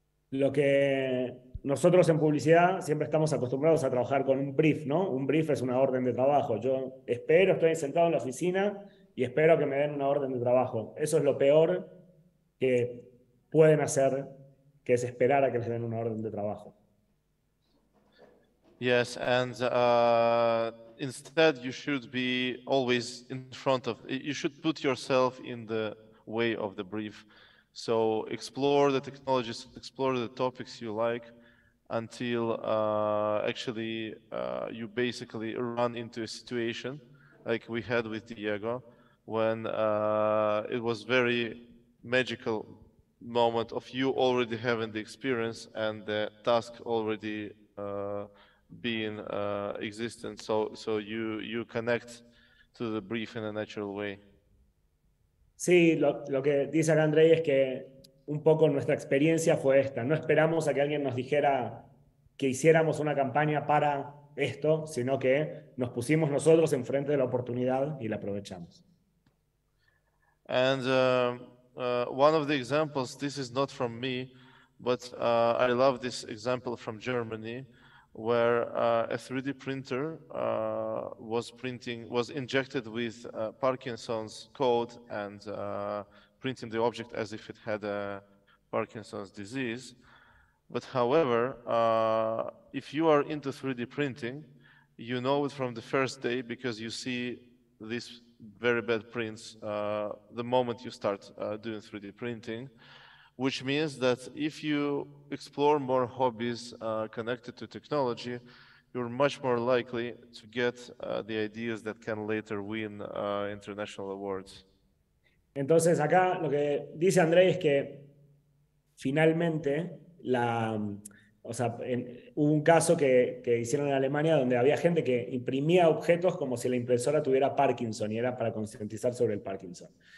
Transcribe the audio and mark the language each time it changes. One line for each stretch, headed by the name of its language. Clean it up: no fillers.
Spanish: Lo que nosotros en publicidad siempre estamos acostumbrados a trabajar con un brief, ¿no? Un brief es una orden de trabajo. Yo espero, estoy sentado en la oficina y espero que me den una orden de trabajo. Eso es lo peor que pueden hacer, que es esperar a que les den una orden de trabajo.
English: Yes, and instead you should be always in front of, you should put yourself in the way of the brief. So explore the technologies, explore the topics you like until actually you basically run into a situation like we had with Diego, when it was very magical moment of you already having the experience and the task already being existent. So you connect to the brief in a natural way.
Spanish: Sí, lo que dice acá Andrei es que un poco nuestra experiencia fue esta. No esperamos a que alguien nos dijera que hiciéramos una campaña para esto, sino que nos pusimos nosotros enfrente de la oportunidad y la aprovechamos.
English: And one of the examples, this is not from me, but I love this example from Germany, where a 3D printer was injected with Parkinson's code and printing the object as if it had a Parkinson's disease. But however, if you are into 3D printing, you know it from the first day because you see these very bad prints the moment you start doing 3D printing. Which means that if you explore more hobbies connected to technology, you're much more likely to get the ideas that can later win international awards.
Spanish: Entonces acá lo que dice Andrei es que finalmente hubo un caso que hicieron en Alemania donde había gente que imprimía objetos como si la impresora tuviera Parkinson y era para concientizar sobre el Parkinson.